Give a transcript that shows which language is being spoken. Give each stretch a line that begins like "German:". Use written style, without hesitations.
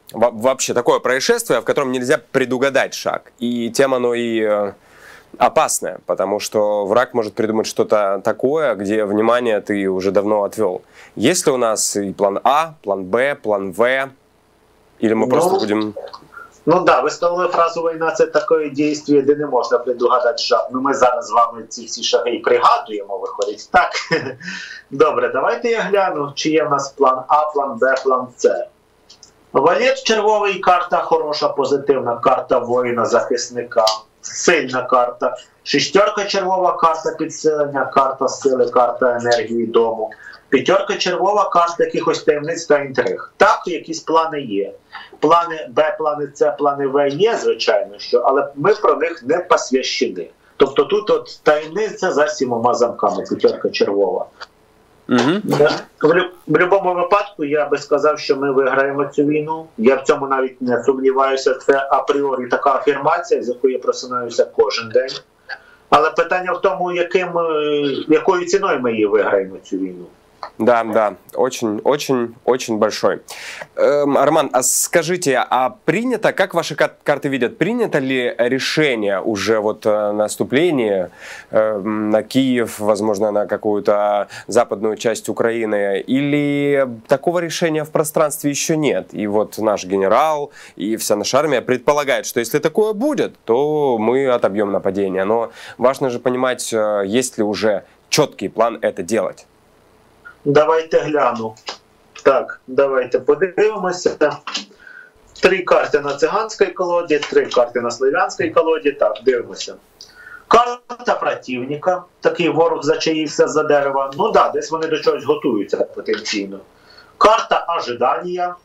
Russian: Вообще такое происшествие, в котором нельзя предугадать шаг. И тем оно и опасное, потому что враг может придумать что-то такое, где внимание ты уже давно отвел. Есть ли у нас и план А, план Б, план В? Или мы просто будем...
Ukrainian: Ну да, ви сказали фразу «Война» – це таке дійство, де не можна предугадати шаг. Ну ми зараз з вами ці всі шаги і пригадуємо, виходить, так? Добре, давайте я гляну, чи є в нас план А, план Б, план С. Валет червовий – карта хороша, позитивна, карта воїна, захисника, сильна карта. Шістерка червова – карта підсилення, карта сили, карта енергії дому. П'ятерка червова – карта якихось таємниць та інтриг. Так, якісь плани є. Плани Б, плани С, плани В є, звичайно, що, але ми про них не посвящені. Тобто тут от таємниця за сімома замками, п'ятерка червова. В будь-якому випадку я би сказав, що ми виграємо цю війну. Я в цьому навіть не сумніваюся, це апріорі така афірмація, з якою я просинаюся кожен день. Але питання в тому, якою ціною ми її виграємо, цю війну.
Russian: Да, да, очень большой. Арман, а скажите, а принято, как ваши карты видят, принято ли решение уже вот наступление на Киев, возможно, на какую-то западную часть Украины, или такого решения в пространстве еще нет? И вот наш генерал и вся наша армия предполагает, что если такое будет, то мы отобьем нападение. Но важно же понимать, есть ли уже
Ukrainian: чіткий план це робити. Давайте гляну. Так, давайте подивимося. Три карти на циганській колоді, три карти на слов'янській колоді. Так, дивимося. Карта противника. Такий ворог зачаївся за дерева. Ну так, да, десь вони до чогось готуються потенційно. Карта ожидання.